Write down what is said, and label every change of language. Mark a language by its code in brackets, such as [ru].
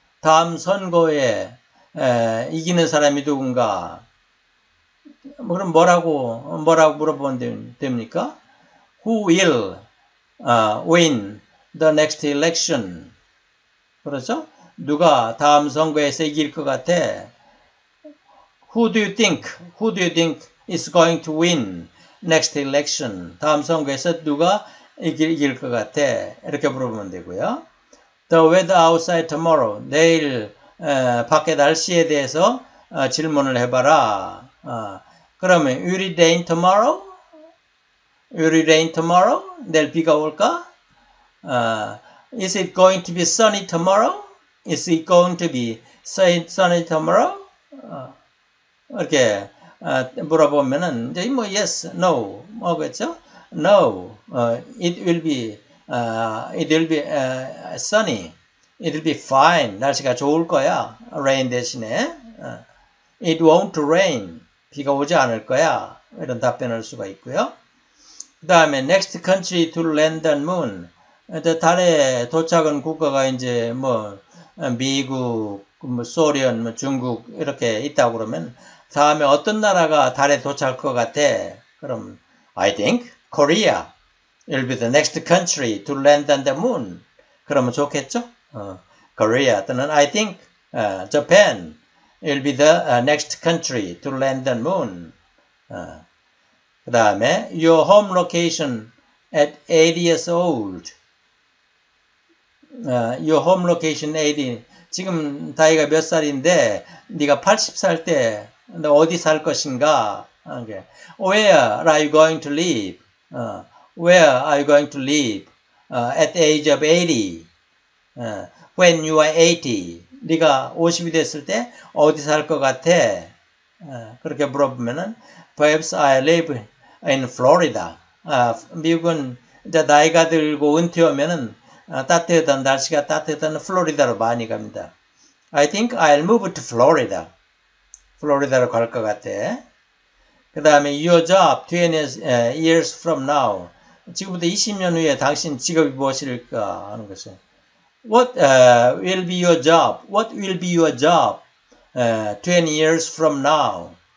[ko] 다음 선거에 이기는 사람이 누군가? 그럼 뭐라고 물어보면 됩니까? [en] Who will win the next election? [ko] 그렇죠? 누가 다음 선거에서 이길 것 같아? [en] Who do you think is going to win next election? [ko] 다음 선거에서 누가 이길 것 같아? 이렇게 물어보면 되고요. [en] The weather outside tomorrow. [ko] 내일 밖에 날씨에 대해서 질문을 해봐라. 그러면 [en] will it rain tomorrow? Will it rain tomorrow? [ko] 내일 비가 올까? [en] Is it going to be sunny tomorrow? Is it going to be sunny tomorrow? [ko] 이렇게 물어보면은 이제 뭐 [en] yes, no, [ko] 뭐겠죠? [en] No, it will be sunny. It will be fine. [ko] 날씨가 좋을 거야. Rain 대신에 [en] it won't rain. [ko] 비가 오지 않을 거야. 이런 답변을 할 수가 있고요. 그 다음에 [en] next country to land on moon. [ko] 이제 달에 도착한 국가가 이제 뭐 미국, 뭐 소련, 뭐 중국 이렇게 있다고 그러면 다음에 어떤 나라가 달에 도착할 것 같아? 그럼 [en] I think Korea will be the next country to land on the moon. [ko] 그러면 좋겠죠? [en] Korea [ko] 또는 [en] I think Japan will be the next country to land on moon. [ko] 그 다음에 [en] your home location at 8 years old. Your home location 80. [ko] 지금 다이가 몇 살인데 네가 80살 때 너 어디 살 것인가? [en] Okay. Where are you going to live? Where are you going to live at the age of 80? When you are 80. [ko] 네가 50이 됐을 때 어디 살 것 같아? 그렇게 물어보면은 [en] perhaps I live in Florida. [ko] 미국은 이제 나이가 들고 은퇴하면은 따뜻한 날씨가 따뜻한 플로리다로 많이 갑니다. [en] I think I'll move to Florida. [ko] 플로리다로 갈 것 같아. 그 다음에 [en] your job 20 years from now. [ko] 지금부터 20년 후에 당신 직업이 무엇일까 하는 것이. [en] What will be your job? What will be your job 20 years from now?